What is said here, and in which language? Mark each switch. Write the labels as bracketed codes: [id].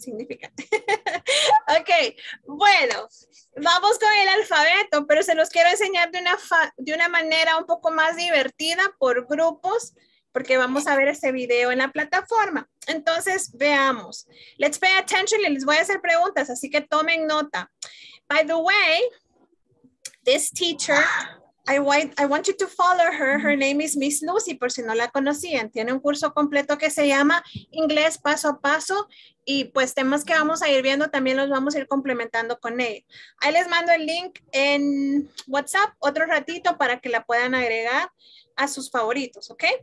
[es] Ok, bueno, vamos con el alfabeto, pero se los quiero enseñar de una manera un poco más divertida por grupos, porque vamos a ver este video en la plataforma. Entonces, veamos. [en] Let's pay attention [es] y les voy a hacer preguntas, así que tomen nota. [en] By the way, this teacher, I want you to follow her. Her name is Miss Lucy, [es] por si no la conocían. Tiene un curso completo que se llama Inglés Paso a Paso. Y pues temas que vamos a ir viendo también los vamos a ir complementando con ella. Ahí les mando el link en WhatsApp otro ratito para que la puedan agregar a sus favoritos, ¿ok?